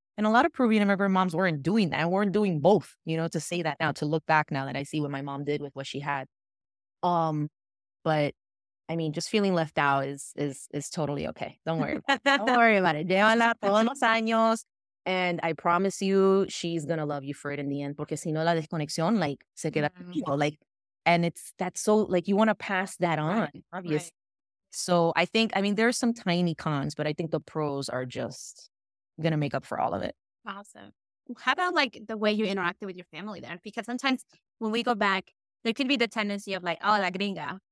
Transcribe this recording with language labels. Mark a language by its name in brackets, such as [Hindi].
[English] And a lot of Peruvian immigrant moms weren't doing that. Weren't doing both, you know, to say that now, to look back now that I see what my mom did with what she had. But I mean, just feeling left out is totally okay. Don't worry about it. [Spanish] Llévala todos los años. [English] And I promise you, she's going to love you for it in the end. [Spanish] Porque si no la desconexión, like, se queda conmigo. [English] Like, and it's, that's so, like, you want to pass that on, right, obviously. Right. So I think, I mean, there are some tiny cons, but I think the pros are just going to make up for all of it. Awesome. How about, like, the way you interacted with your family there? Because sometimes when we go back, there could be the tendency of like, oh, [Spanish] la gringa.